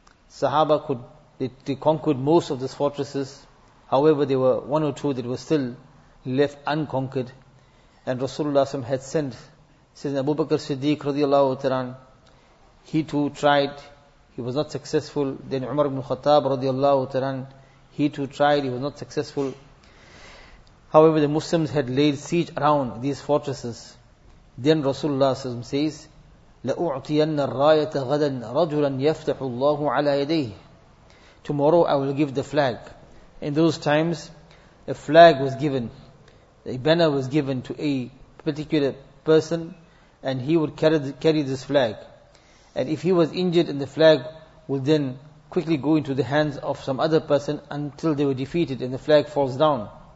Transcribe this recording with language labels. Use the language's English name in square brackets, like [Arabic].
[English] Sahaba they conquered most of those fortresses, however there were one or two that were still left unconquered, and Rasulullah sallam had sent Sayyidina Abu Bakr Siddiq radiallahu ta'ala. He too tried, he was not successful. Then Umar ibn Khattab radiallahu ta'ala, he too tried, he was not successful. However, the Muslims had laid siege around these fortresses. Then Rasulullah says, [Arabic] لَأُعْطِيَنَّ الرَّايَةَ غَدًا رَجُلًا يَفْتَحُ اللَّهُ عَلَىٰ يَدَيْهِ. [English] Tomorrow I will give the flag. In those times, a flag was given, a banner was given to a particular person, and he would carry this flag. And if he was injured, and the flag would then quickly go into the hands of some other person until they were defeated and the flag falls down.